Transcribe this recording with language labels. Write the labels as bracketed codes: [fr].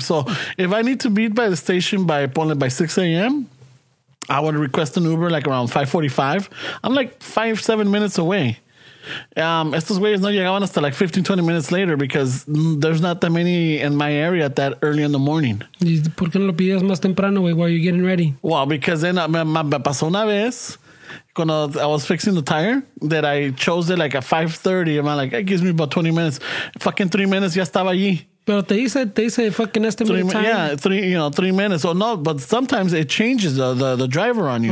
[en] So if I need to be by the station by 6 a.m., I would request an Uber like around 5:45. I'm like 5-7 minutes away. [es] Estos güeyes no llegaban hasta [en] like 15-20 minutes later because there's not that many in my area that early in the morning. [es] ¿Y por qué no lo pidías más temprano, güey, [en] while you're getting ready? Well, because then [es] me pasó una vez cuando [en] I was fixing the tire that I chose it like at 5:30. I'm like, it gives me about 20 minutes. Fucking 3 minutes, [es] ya estaba allí. Pero te dice fucking [en] estimate time. Yeah, 3 minutes. So no, but sometimes it changes the driver on you.